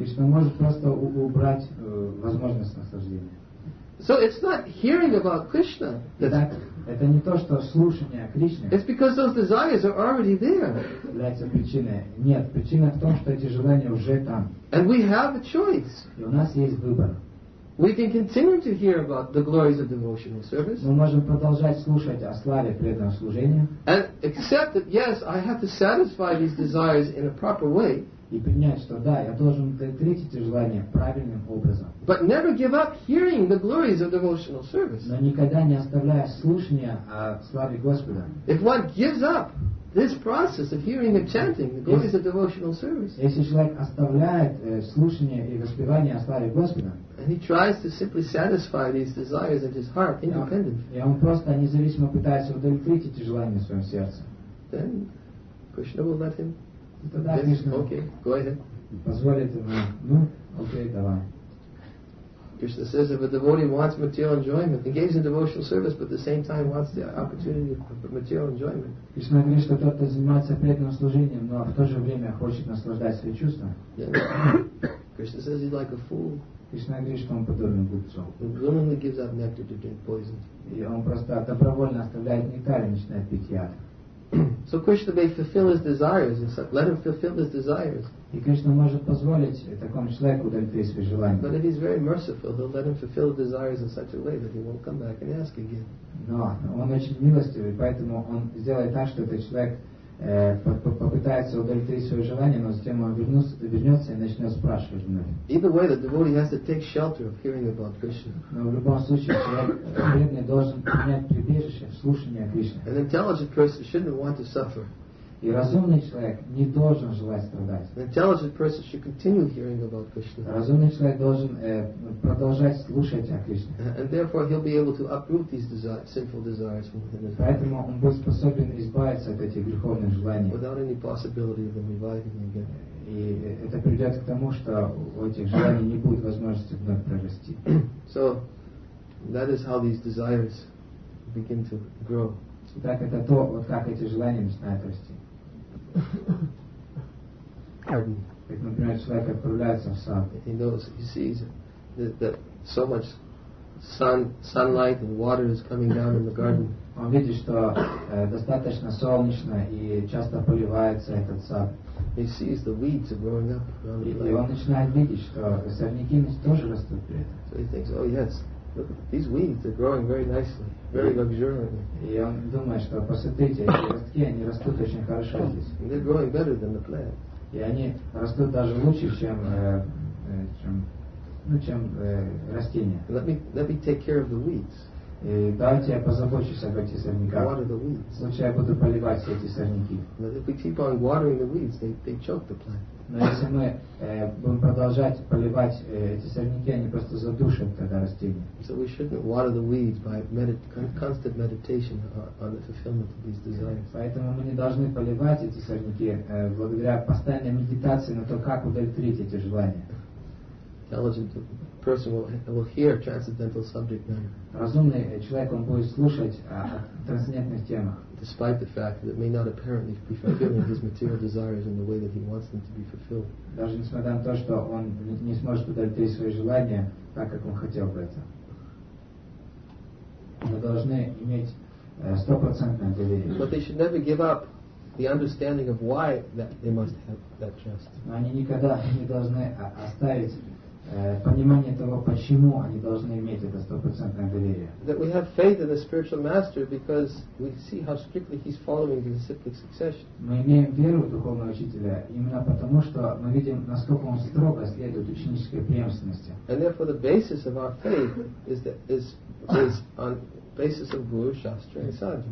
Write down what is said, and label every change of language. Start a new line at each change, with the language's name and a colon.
Russian: Кришна может просто убрать возможность наслаждения.
English: So it's not hearing about Krishna.
Russian: Это не то, что слушание о Кришне.
English: It's because those desires are already there.
Russian: Является причиной. Нет, причина в том, что эти желания уже там.
English: And we have a choice.
Russian: И у нас есть выбор.
English: We can continue to hear about the glories of devotional service.
Russian: Мы можем продолжать слушать о славе преданного служения.
English: And accept that yes, I have to satisfy these desires in a proper way.
Russian: И принять, что да, я должен удовлетворить эти желания правильным образом.
English: But never give up hearing the glories of devotional service.
Russian: Но никогда не оставляя слушания о славе Господа.
English: If one gives up this process of hearing and chanting the glories of devotional service,
Russian: если человек оставляет слушание и воспевание о славе Господа,
English: and he tries to simply satisfy these desires of his heart independently,
Russian: и он просто независимо пытается удовлетворить эти желания в своем сердце,
English: then Krishna will let him.
Russian: Тогда Кришна позволит ему. Ну, окей, давай.
English: Krishna says if a devotee wants material enjoyment, engages in devotional service, but at the same time wants the opportunity for material enjoyment.
Russian: Кришна говорит, что тот, кто занимается преданным служением, но в то же время хочет наслаждать свои чувства.
English: Krishna says he's like a fool.
Russian: Кришна говорит, что он подобен глупцу.
English: Willingly gives up nectar to drink poison.
Russian: И он просто добровольно оставляет нектар и начинает пить яд.
English: So Krishna may fulfill his desires. Let him fulfill his desires.
Russian: И Кришна может позволить такому человеку удовлетворить свои желания.
English: But if he's very merciful, he'll let him fulfill desires in such a way that he won't come back and ask again.
Russian: Но он очень милостивый, поэтому он сделает так, что этот человек попытается удовлетворить свои желания, но затем он вернется и начнет спрашивать вновь.
English: Either way, the devotee has to take shelter of hearing about Krishna.
Russian: Но в любом случае человек преданный должен принять прибежище в слушании о Кришне.
English: An intelligent person shouldn't want to suffer.
Russian: И разумный человек не должен желать страдать.
English: An intelligent person should continue hearing about Krishna.
Russian: Разумный человек должен продолжать слушать о Кришне.
English: And therefore he'll be able to uproot these desires, sinful desires from within his heart.
Russian: Поэтому он будет способен избавиться от этих греховных желаний.
English: Without any possibility of them reviving again.
Russian: И это приведет к тому, что у этих желаний не будет возможности вновь прорасти.
English: So that is how these desires begin to grow.
Russian: Так это то, вот как эти желания начинают расти. Как, например, человек отправляется в сад.
English: He knows, he sees that so much sunlight and water is coming down in the garden.
Russian: Он видит, что достаточно солнечно и часто поливается этот сад.
English: He sees the weeds are growing up.
Russian: И он начинает видеть, что сорняки тоже растут при этом.
English: So he thinks, oh yes. These weeds are growing very nicely, very luxuriantly.
Russian: И он думает, что посмотрите, эти ростки, они растут очень хорошо здесь.
English: They're growing better than the plant.
Russian: И они растут даже лучше, чем растения.
English: Let me take care of the weeds.
Russian: И давайте я позабочусь об этих сорняках.
English: Water the weeds.
Russian: Лучше я буду поливать все эти сорняки.
English: But if we keep on watering the weeds, they choke the plant.
Russian: Но если мы будем продолжать поливать эти сорняки, они просто задушат тогда растения.
English: So we shouldn't water the weeds by constant meditation on the fulfillment of these desires.
Russian: Поэтому мы не должны поливать эти сорняки благодаря постоянной медитации на то, как удовлетворить эти желания.
English: Intelligent person will hear transcendental subject matter.
Russian: Разумный человек, он будет слушать о трансцендентных темах.
English: Despite the fact that it may not apparently be fulfilling his material desires in the way that he wants them to be fulfilled.
Russian: Даже несмотря на то, что он не сможет удовлетворить свои желания так, как он хотел бы это. Мы должны иметь стопроцентное доверие.
English: But they should never give up the understanding of why that they must have that trust.
Russian: Но они никогда не должны оставить понимание того, почему они должны иметь это стопроцентное доверие.
English: That we have faith in the spiritual master because we see how strictly he's following the disciplic succession.
Russian: Мы имеем веру в духовного учителя именно потому, что мы видим, насколько он строго следует ученической преемственности.
English: And therefore the basis of our faith is that is on basis of Guru, Shastra, and Sadhu.